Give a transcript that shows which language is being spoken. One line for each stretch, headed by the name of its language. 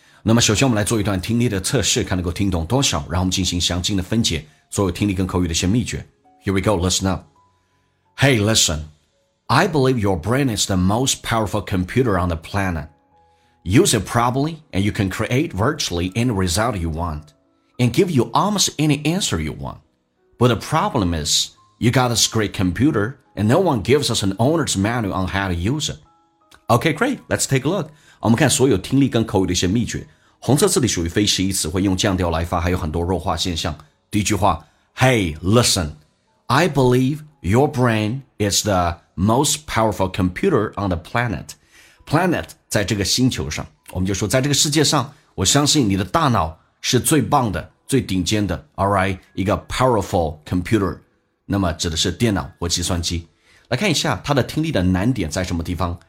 Chinese: 那么首先我们来做一段听力的测试，看能够听懂多少，然后我们进行详尽的分解所有听力跟口语的一些秘诀。
English: Here we go, listen up. Hey, listen. I believe your brain is the most powerful computer on the planet. Use it properly and you can create virtually any result you want and give you almost any answer you want. But the problem isYou got this great computer, and no one gives us an owner's manual on how to use it. Okay, great. Let's take a look.
Chinese: 我们看所有听力跟口语的一些秘诀。红色字里属于非适宜词，会用降调来发，还有很多弱化现象。第一句话 ,
English: Hey, listen. I believe your brain is the most powerful computer on the planet.
Chinese: Planet, 在这个星球上。我们就说在这个世界上，我相信你的大脑是最棒的，最顶尖的。
English: Alright, 一个 powerful computer.
Chinese: 那么指的是电脑或计算机。来看一下它的听力的难点在什么地方。